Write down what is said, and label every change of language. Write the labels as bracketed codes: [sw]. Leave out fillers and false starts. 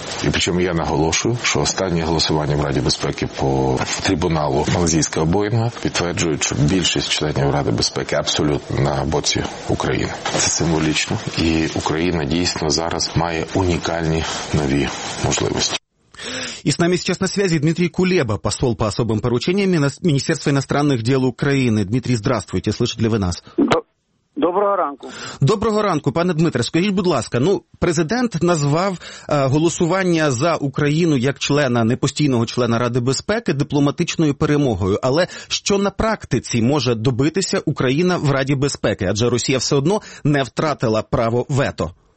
[uk] І причому я наголошую, що останнє голосування в Раді Безпеки по трибуналу Малайзійського Боїнга підтверджують, що більшість членів Ради Безпеки абсолютно на боці України. Це символічно. І Україна дійсно зараз має унікальні нові можливості. [ru] И с нами сейчас на связи Дмитрий Кулеба, посол по особым поручениям Министерства иностранных дел Украины. Дмитрий, здравствуйте, слышите ли вы нас? [uk] Доброго ранку. Доброго ранку, пане Дмитре. Скажіть, будь ласка, президент назвав голосування за Україну як члена, непостійного члена Ради безпеки, дипломатичною перемогою. Але що на практиці може добитися Україна в Раді безпеки? Адже Росія все одно не втратила право вето.